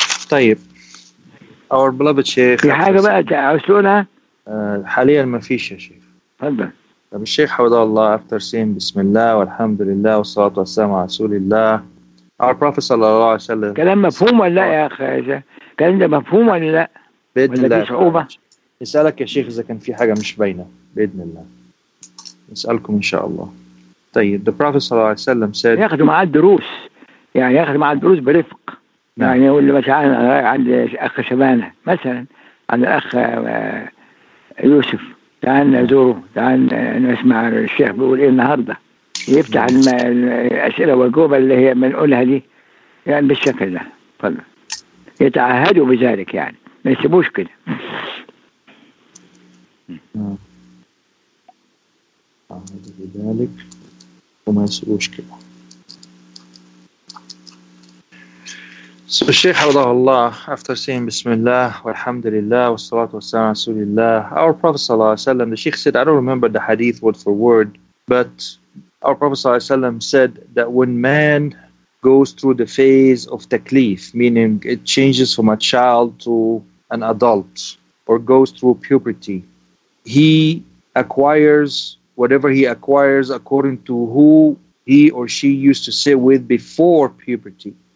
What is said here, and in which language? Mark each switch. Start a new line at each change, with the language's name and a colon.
Arabic: طيب
English: our beloved
Arabic: شيخ في حاجة بقى عسلونا حاليا ما فيش يا شيخ. فضل طيب الشيخ حفظه الله
English: after saying
Arabic: بسم الله والحمد لله والصلاة والسلام على رسول الله
English: our prophet
Arabic: صلى الله عليه وسلم. كلام مفهوم ولا لا يا أخي؟ كلام ده مفهوم ولا لا؟ بإذن ولا الله نسألك يا شيخ إذا كان في حاجة مش باينة بإذن الله نسألكم إن شاء الله. طيب
English: the prophet
Arabic: صلى الله عليه وسلم
English: said
Arabic: ياخد مع الدروس يعني ياخد مع الدروس برفق يعني يقول لي مثلا عند أخ شبانة مثلا عند أخ يوسف تعال نزوره تعال نسمع الشيخ بيقول إيه النهاردة يفتح الأسئلة والجوبة اللي هي من قولها دي يعني بالشكل ده فضل يتعهدوا بذلك يعني ما يسيبوش كده. يتعهدوا بذلك وما يسيبوش كده.
English: الشيخ حفظه الله, after saying Bismillah,
Arabic: والحمد لله, والصلاة والسلام على رسول الله,
English: our Prophet صلى الله عليه وسلم, the Sheikh said, I don't remember the hadith word for word, but our Prophet صلى الله عليه وسلم said that when man goes through the phase of taklif, meaning it changes from a child to an adult, or goes through puberty, he acquires whatever he acquires according to who he or she used to sit with before puberty.